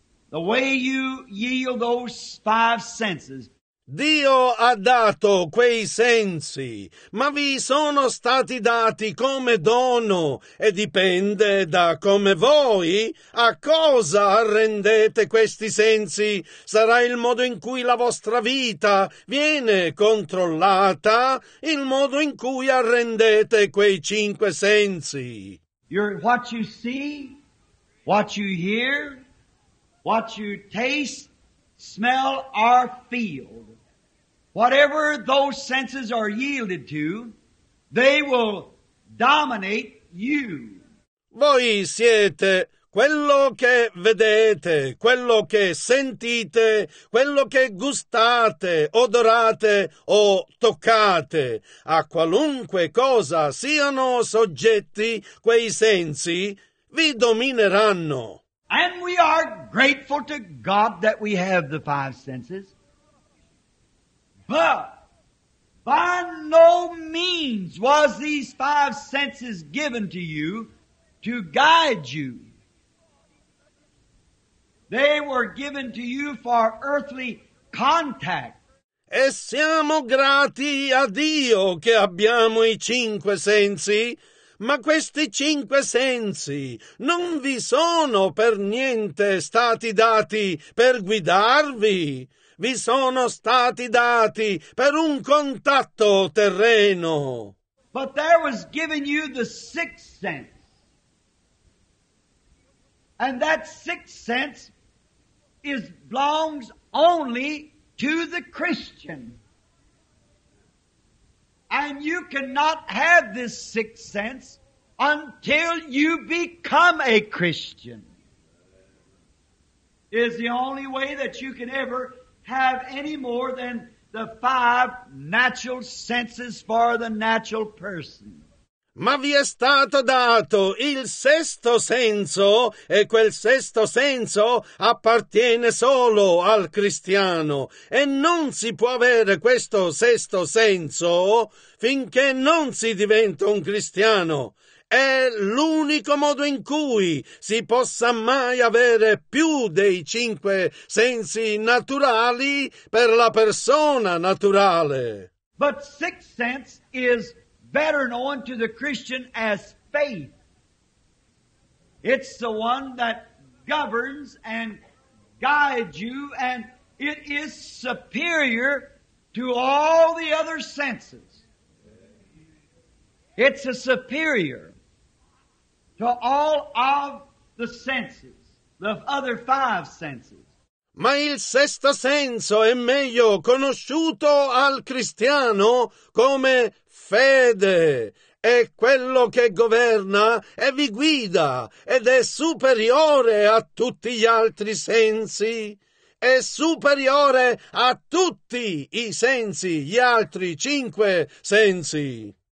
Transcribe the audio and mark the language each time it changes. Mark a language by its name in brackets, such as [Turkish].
[English] The way you yield those five senses. [Italian] Dio ha dato quei sensi, ma vi sono stati dati come dono e dipende da come voi, a cosa arrendete questi sensi, sarà il modo in cui la vostra vita viene controllata, il modo in cui arrendete quei cinque sensi. [English] What you see, what you hear, what you taste, smell, or feel, whatever those senses are yielded to, they will dominate you. [Italian] Voi siete quello che vedete, quello che sentite, quello che gustate, odorate o toccate. A qualunque cosa siano soggetti quei sensi, vi domineranno. [English] And we are grateful to God that we have the five senses. But By no means was these five senses given to you to guide you. They were given to you for earthly contact. [Italian] E siamo grati a Dio che abbiamo i cinque sensi, ma questi cinque sensi non vi sono per niente stati dati per guidarvi. Vi sono stati dati per un contatto terreno. [English] But there was given you the sixth sense. And that sixth sense belongs only to the Christian. And you cannot have this sixth sense until you become a Christian. It is the only way that you can ever have any more than the five natural senses for the natural person. [Italian] Ma vi è stato dato il sesto senso, e quel sesto senso appartiene solo al cristiano, e non si può avere questo sesto senso finché non si diventa un cristiano. È l'unico modo in cui si possa mai avere più dei cinque sensi naturali per la persona naturale. [English] But sixth sense is better known to the Christian as faith. It's the one that governs and guides you, and it is superior to all the other senses. It's a superior to all of the senses, the other five senses. [Italian] Ma il sesto senso è meglio conosciuto al cristiano come fede, è quello che governa e vi guida ed è superiore a tutti gli altri sensi, è superiore a tutti i sensi, gli altri cinque sensi.